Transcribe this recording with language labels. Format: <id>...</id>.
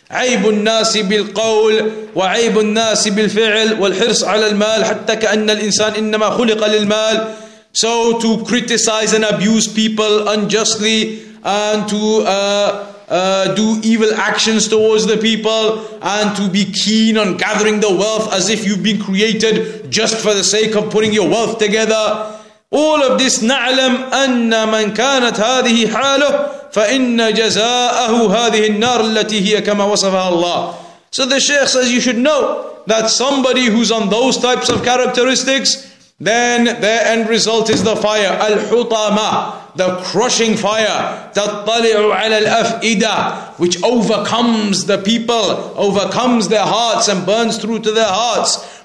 <ar>عَيْبُ النَّاسِ بِالْقَوْلِ وَعَيْبُ النَّاسِ بِالْفِعْلِ وَالْحِرْصُ عَلَى الْمَالِ حَتَّى كَأَنَّ الْإِنسَانِ إِنَّمَا خُلِقَ لِلْمَالِ.</ar> <en>So to criticize and abuse people unjustly and to do evil actions towards the people and to be keen on gathering the wealth as if you've been created just for the sake of putting your wealth together. All of this,</en> <ar>نَعْلَمْ أَنَّ مَنْ كَانَتْ هَذِهِ حَالُهُ فَإِنَّ جَزَاءَهُ هَذِهِ النَّارُ الَّتِي هِيَ كَمَا وَصَفَهَا اللَّهُ.</ar> <en>So the Shaykh says you should know that somebody who's on those types of characteristics, then their end result is the fire. Al-Hutama, the crushing fire.</en> <ar>Tattali'u ala al-af'ida,</ar> <en>which overcomes the people, overcomes their hearts and burns through to their hearts.</en>